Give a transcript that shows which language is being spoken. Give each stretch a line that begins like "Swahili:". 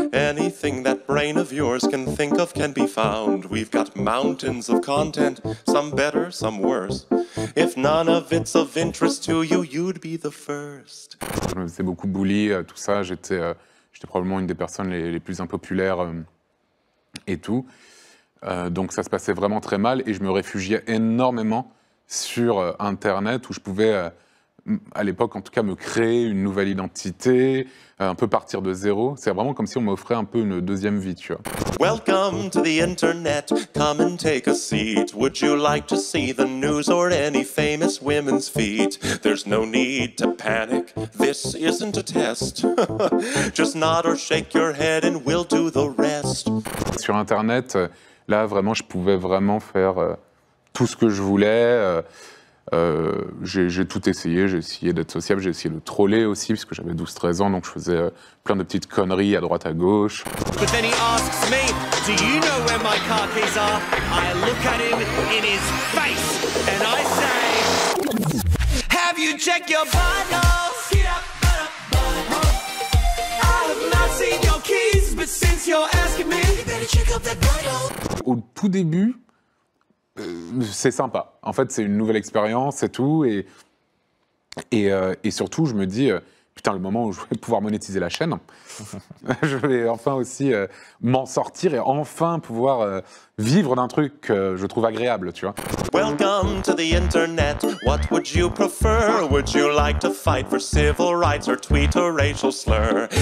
English: Anything that brain of yours can think of can be found. We've got mountains of content, some better, some worse. If none of it's of interest to you, you'd be the first.
French: Je me faisais beaucoup bully, tout ça, j'étais probablement une des personnes les plus impopulaires et tout. Donc ça se passait vraiment très mal et je me réfugiais énormément sur Internet où je pouvais, à l'époque en tout cas, me créer une nouvelle identité, un peu partir de zéro. C'est vraiment comme si on m'offrait un peu une deuxième vie, tu vois.
English: Welcome to the Internet, come and take a seat. Would you like to see the news or any famous women's feet? There's no need to panic, this isn't a test. Just nod or shake your head and we'll do the rest.
French: Sur Internet, là vraiment, je pouvais vraiment faire tout ce que je voulais. J'ai tout essayé, j'ai essayé d'être sociable, j'ai essayé de troller aussi, puisque j'avais 12-13 ans, donc je faisais plein de petites conneries à droite à gauche.
English: But then he asks me, do you know where my car keys are? I look at him in his face, and I say, have you checked your vitals? Get up, I have not seen your keys, but since you're asking me, you better check up that vitals.
French: Au tout début, c'est sympa. En fait, c'est une nouvelle expérience et tout. Et surtout, je me dis, putain, le moment où je vais pouvoir monétiser la chaîne, je vais enfin aussi m'en sortir et enfin pouvoir vivre d'un truc que je trouve agréable, tu vois.
English: Welcome to the internet. What would you prefer? Would you like to fight for civil rights or tweet a racial slur?